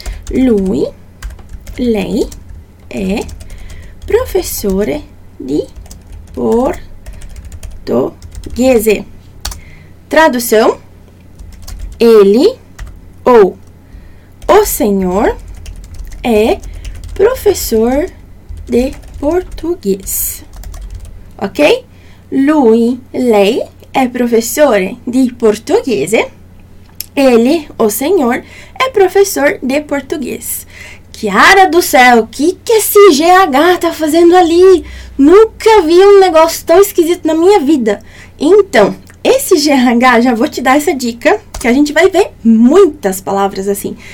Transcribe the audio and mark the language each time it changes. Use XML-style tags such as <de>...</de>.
<it>Lui, lei, é professore de portoghese.</it> <pt>Tradução: ele ou o senhor é professor de português. Ok?</pt> <it>Lui, lei, é professore di portoghese.</it> <pt>Ele, o senhor, é professor de português. Chiara do céu, o que que esse GH tá fazendo ali? Nunca vi um negócio tão esquisito na minha vida. Então, esse GH, já vou te dar essa dica, que a gente vai ver muitas palavras assim.</pt>